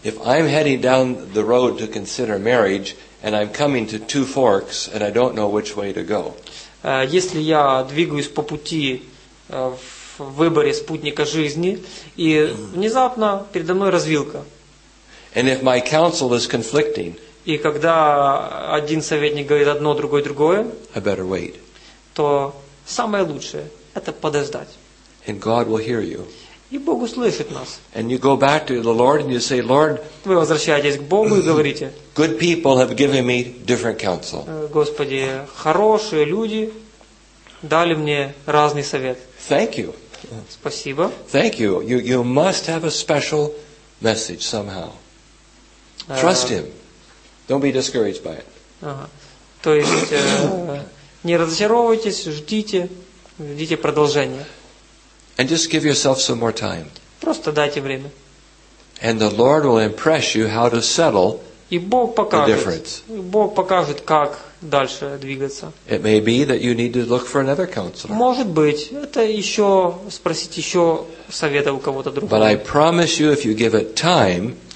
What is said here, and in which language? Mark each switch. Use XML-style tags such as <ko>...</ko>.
<en>If I'm heading down the road to consider marriage and I'm coming to two forks and I don't know which way to go.</en> <ru>Если я двигаюсь по пути в выборе спутника жизни, и внезапно передо мной развилка.</ru> <en>And if my counsel is conflicting,</en> <ru>и когда один советник говорит одно, другой другое,</ru> <en>I better wait.</en> <ru>То самое лучшее – это подождать.</ru> <en>And God will hear you.</en> <ru>И Бог услышит нас.</ru> <en>And you go back to the Lord and you say, Lord,</en> <ru>вы возвращаетесь к Богу и говорите,</ru> <en>good people have given me different counsel.</en> <ru>Господи, хорошие люди дали мне разный совет.</ru> <en>Thank you.</en> <ru>Спасибо.</ru> <en>Thank you. You must have a special message somehow. Trust him. Don't be discouraged by it.</en> <ru>То есть не разочаровывайтесь, ждите продолжения.</ru> <en>And just give yourself some more time.</en> <ru>Просто дайте время.</ru> <en>And the Lord will impress you how to settle.</en> <ru>И Бог покажет,</ru> <en>the difference.</en> <ru>Бог покажет, как дальше двигаться.</ru> <en>It may be that you need to look for another counselor.</en> <ru>Может быть, это еще спросить еще совета у кого-то другого.</ru> <en>But I promise you, if you give it time,</en>